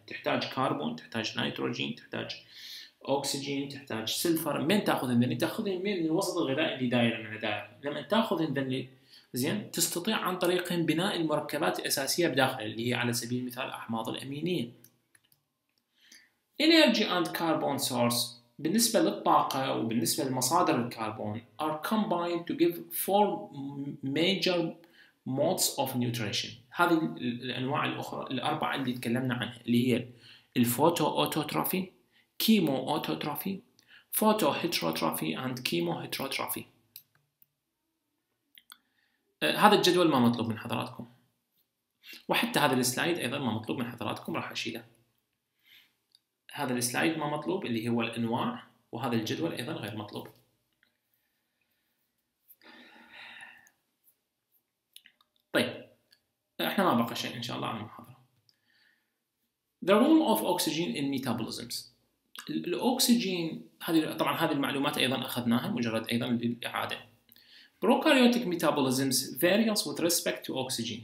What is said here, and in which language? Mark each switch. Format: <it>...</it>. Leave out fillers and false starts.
<ar>تحتاج كربون، تحتاج نيتروجين، تحتاج أكسجين، تحتاج سلفر. من تأخذ ذني؟ تأخذ من الوسط الغذائي اللي داير من الداخل. لما تأخذ ذني زين تستطيع عن طريق بناء المركبات الأساسية بداخل اللي هي على سبيل المثال الأحماض الأمينية.</ar> <en>Energy and carbon source</en> <ar>بالنسبة للطاقة وبالنسبة لمصادر الكربون</ar> <en>are combined to give four major modes of nutrition.</en> <ar>هذه الأنواع الأخرى الأربعة اللي تكلمنا عنها اللي هي الفوتو أوتوتروفي، كيمو أوتوتروفي، فوتو هيتروتروفي and كيمو هيتروتروفي. هذا الجدول ما مطلوب من حضراتكم، وحتى هذا السلايد ايضا ما مطلوب من حضراتكم، راح اشيله. هذا السلايد ما مطلوب اللي هو الانواع، وهذا الجدول ايضا غير مطلوب. طيب احنا ما بقى شيء ان شاء الله عن المحاضره.</ar> <en>The role of oxygen in metabolisms.</en> <ar>الاكسجين هذه طبعا هذه المعلومات ايضا اخذناها مجرد ايضا للاعاده.</ar> <en>Prokaryotic metabolisms varies with respect to oxygen.</en>